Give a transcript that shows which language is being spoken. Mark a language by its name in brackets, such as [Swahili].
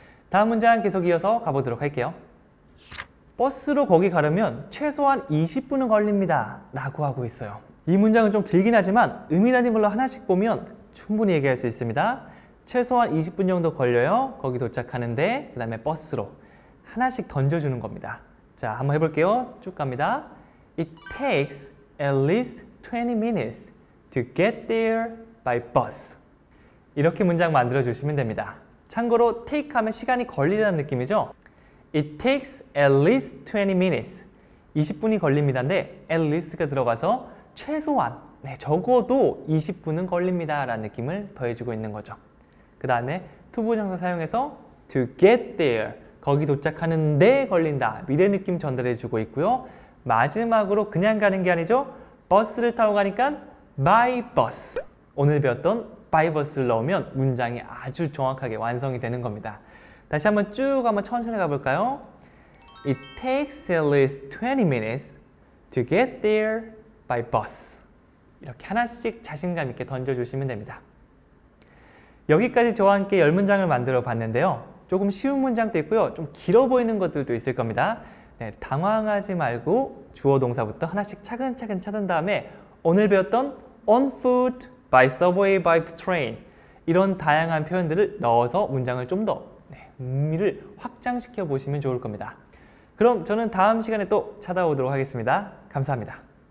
[Korean] 다음 문장 계속 이어서 가보도록 할게요. 버스로 거기 가려면 최소한 20분은 걸립니다. 라고 하고 있어요. 이 문장은 좀 길긴 하지만 의미 단위별로 하나씩 보면 충분히 얘기할 수 있습니다. 최소한 20분 정도 걸려요. 거기 도착하는데 그 다음에 버스로 하나씩 던져주는 겁니다. 자, 한번 해볼게요. 쭉 갑니다. [English] It takes at least 20 minutes to get there by bus. [Korean] 이렇게 문장 만들어주시면 됩니다. 참고로 take 하면 시간이 걸리다는 느낌이죠? [English] It takes at least 20 minutes. [Korean] 20분이 걸립니다인데 at least가 들어가서 최소한, 네, 적어도 20분은 걸립니다 라는 느낌을 더해주고 있는 거죠. 그 다음에 to 부정사 사용해서 [English] to get there, [Korean] 거기 도착하는데 걸린다, 미래 느낌 전달해주고 있고요. 마지막으로 그냥 가는 게 아니죠. 버스를 타고 가니까 by bus, 오늘 배웠던 by bus를 넣으면 문장이 아주 정확하게 완성이 되는 겁니다. 다시 한번 쭉 한번 천천히 가볼까요? [English] It takes at least 20 minutes to get there by bus. [Korean] 이렇게 하나씩 자신감 있게 던져주시면 됩니다. 여기까지 저와 함께 열 문장을 만들어 봤는데요. 조금 쉬운 문장도 있고요. 좀 길어 보이는 것들도 있을 겁니다. 네, 당황하지 말고 주어 동사부터 하나씩 차근차근 찾은 다음에 오늘 배웠던 on foot, by subway, by train 이런 다양한 표현들을 넣어서 문장을 좀 더 의미를 확장시켜 보시면 좋을 겁니다. 그럼 저는 다음 시간에 또 찾아오도록 하겠습니다. 감사합니다.